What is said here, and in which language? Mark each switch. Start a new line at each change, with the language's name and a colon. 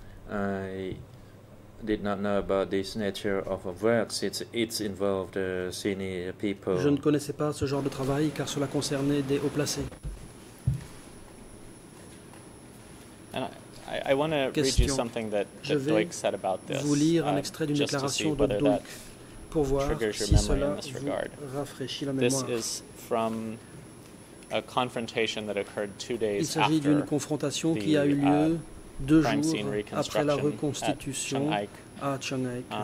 English: I did not know about this nature of work since it's involved senior people.
French: Je ne connaissais pas ce genre de travail car cela concernait des hauts placés.
English: And I want to read you something that Doik said about this.
French: Je vais vous lire un extrait d'une déclaration de Doik pour voir si cela vous rafraîchit la mémoire.
English: This is from a confrontation that occurred 2 days
French: il s'agit
English: after
French: d'une confrontation qui a eu lieu deux jours après la reconstitution à Chiang-Hai.